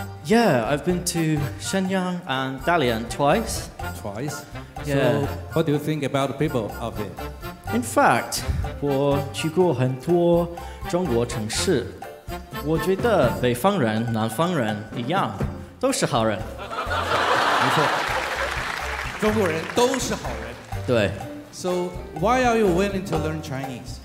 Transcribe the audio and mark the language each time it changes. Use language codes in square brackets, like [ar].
[en] Yeah, I've been to Shenyang and Dalian twice. Twice? Yeah. So, what do you think about the people of it? In fact, [zh] 我去过很多中国城市，我觉得北方人、南方人一样，都是好人。没错，中国人都是好人。对。 [en] So, why are you willing to learn Chinese?